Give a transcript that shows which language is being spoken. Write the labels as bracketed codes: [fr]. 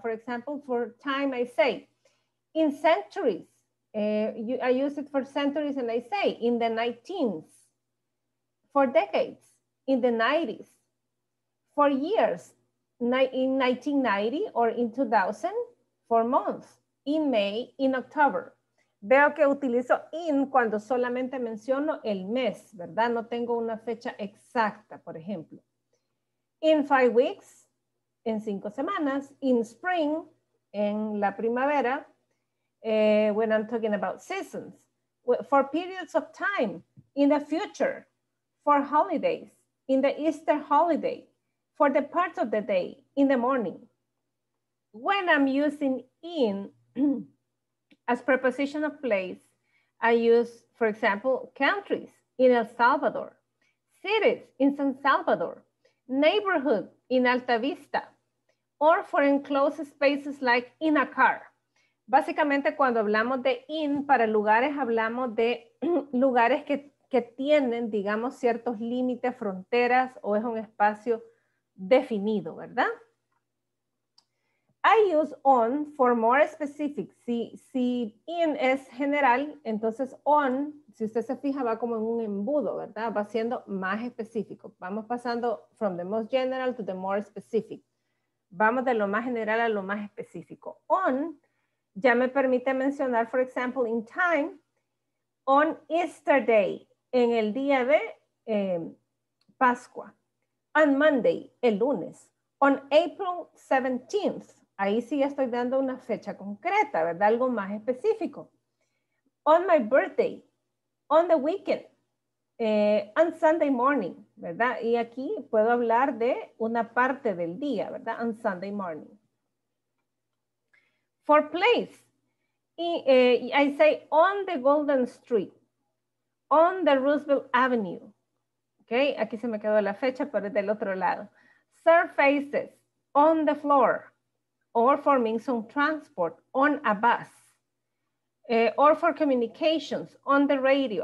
[en] For example, for time I say, in centuries, I use it for centuries and I say, in the 19th, for decades, in the 90s, for years, in 1990 or in 2000, for months, in May, in October. [es] Veo que utilizo in cuando solamente menciono el mes, ¿verdad? No tengo una fecha exacta, por ejemplo. [en] In 5 weeks, [es] en 5 semanas, [en] in spring, [es] en la primavera, [en] when I'm talking about seasons, for periods of time, in the future, for holidays, in the Easter holiday, for the part of the day, in the morning. When I'm using in as preposition of place, I use, for example, countries in El Salvador, cities in San Salvador, neighborhood in Alta Vista, or for enclosed spaces like in a car. [es] Básicamente, cuando hablamos de in para lugares, hablamos de lugares que tienen, digamos, ciertos límites, fronteras, o es un espacio definido, ¿verdad? [en] I use on for more specific. [es] Si in es general, entonces on, si usted se fija, va como en un embudo, ¿verdad? Va siendo más específico. Vamos pasando [en] from the most general to the more specific. [es] Vamos de lo más general a lo más específico. On ya me permite mencionar, [en] for example, in time, on Easter Day, [es] en el día de Pascua. [en] On Monday, [es] el lunes. [en] On April 17th. [es] Ahí sí estoy dando una fecha concreta, ¿verdad? Algo más específico. [en] On my birthday, on the weekend, on Sunday morning, ¿verdad? [es] Y aquí puedo hablar de una parte del día, ¿verdad? [en] On Sunday morning. For place, I say on the Golden Street, on the Roosevelt Avenue. [es] Ok, aquí se me quedó la fecha, pero es del otro lado. [en] Surfaces, on the floor, or for means of transport, on a bus, or for communications, on the radio.